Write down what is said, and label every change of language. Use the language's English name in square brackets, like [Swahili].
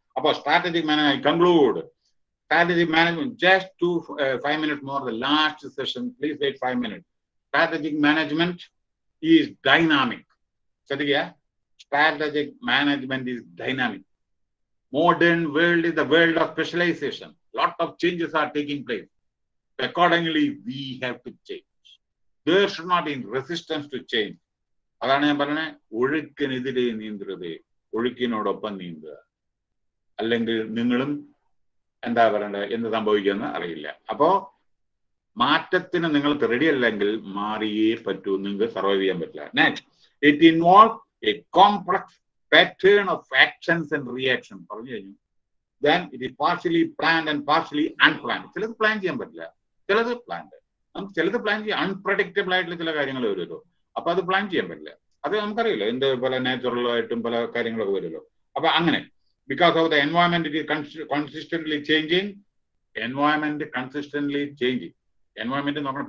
[English] അപ്പോൾ strategic management conclude. Strategic management just 2-5 minute more the last session, please wait 5 minute. Strategic management is dynamic. ശ്രദ്ധിക്കുക, strategic management is dynamic. Modern world is the world of specialization, lot of changes are taking place. Accordingly, we have to change. There should not be resistance to change. [Malayalam] അതാണ് ഞാൻ പറഞ്ഞത്, ഒഴുക്കിനെതിരെ നീന്തരുത്, ഒഴുക്കിനോടൊപ്പം നീന്തുക, അല്ലെങ്കിൽ നിങ്ങളും എന്താ പറയണ്ടത്, എന്ത് സംഭവിക്കുമെന്ന് അറിയില്ല. അപ്പോ മാറ്റത്തിന് നിങ്ങൾ റെഡി അല്ലെങ്കിൽ മാറിയേ പറ്റൂ, നിങ്ങൾക്ക് സർവൈവ് ചെയ്യാൻ പറ്റില്ല. [English] Next, it involves a complex pattern of actions and reactions. [Malayalam] പറഞ്ഞു കഴിഞ്ഞു. [English] Then it is partially planned and partially unplanned. [Malayalam] ചിലത് പ്ലാൻ ചെയ്യാൻ പറ്റില്ല, ചിലത് പ്ലാൻഡ്. നമുക്ക് ചിലത് പ്ലാൻ ചെയ്യാം, അൺപ്രഡിക്റ്റബിൾ ആയിട്ടുള്ള ചില കാര്യങ്ങൾ വരുമല്ലോ, അപ്പൊ അത് പ്ലാൻ ചെയ്യാൻ പറ്റില്ല. അത് നമുക്കറിയില്ലോ എന്ത് പല നാച്ചുറലായിട്ടും പല കാര്യങ്ങളൊക്കെ വരുമല്ലോ. അപ്പൊ അങ്ങനെ [English] because of the environment consistently changing, [Malayalam] environment consistently changing, environment നോക്കണം.